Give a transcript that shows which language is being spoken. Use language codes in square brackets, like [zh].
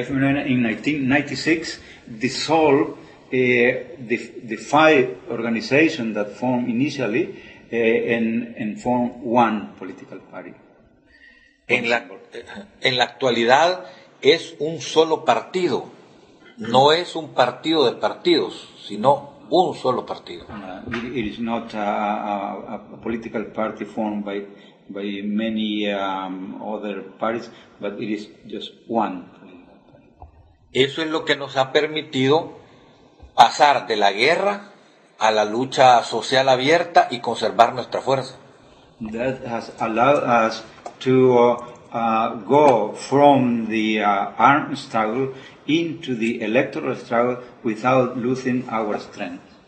[en] FMLN in 1996 dissolved the five organizations that formed initially and formed one political party. [es] En la actualidad es un solo partido, no es un partido de partidos, sino un solo partido. [en] It is not a political party formed by many other parties, but it is just one. [es] Eso es lo que nos ha permitido pasar de la guerra a la lucha social abierta y conservar nuestra fuerza. [en] That has allowed us to go from the armed struggle into the electoral struggle without losing our strength.